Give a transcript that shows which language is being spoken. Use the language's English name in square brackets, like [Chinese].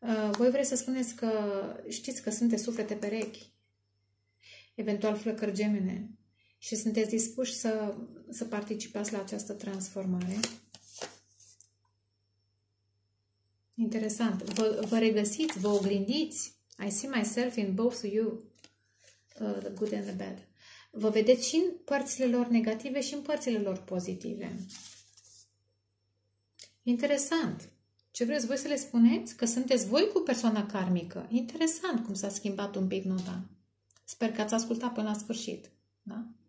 [Romanian] Voi vreți să spuneți că știți că sunteți suflete perechi, eventual flăcări gemene, și sunteți dispuși să participați la această transformare. Interesant. Vă regăsiți, vă oglindiți. [English] I see myself in both of you, the good and the bad. [Romanian] Vă vedeți și în părțile lor negative și în părțile lor pozitive. Interesant. Ce vreți voi să le spuneți? Că sunteți voi cu persoana karmică. Interesant cum s-a schimbat un pic nota. Sper că ați ascultat până la sfârșit. Da?